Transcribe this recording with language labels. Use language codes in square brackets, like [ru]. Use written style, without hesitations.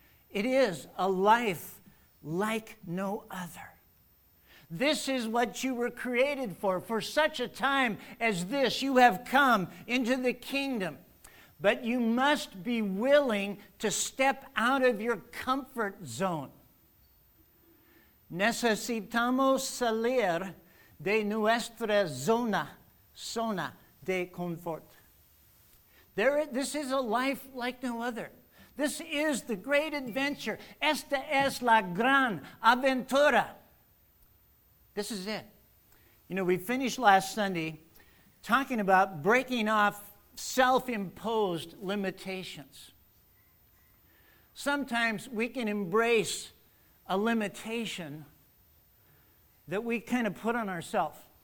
[en] It is a life like no other. This is what you were created for. For such a time as this, you have come into the kingdom. But you must be willing to step out of your comfort zone. [es] Necesitamos salir de nuestra zona de confort. [en] This is a life like no other. This is the great adventure. [es] Esta es la gran aventura. [en] This is it. You know, we finished last Sunday talking about breaking off self-imposed limitations. Sometimes we can embrace a limitation that we kind of put on ourselves.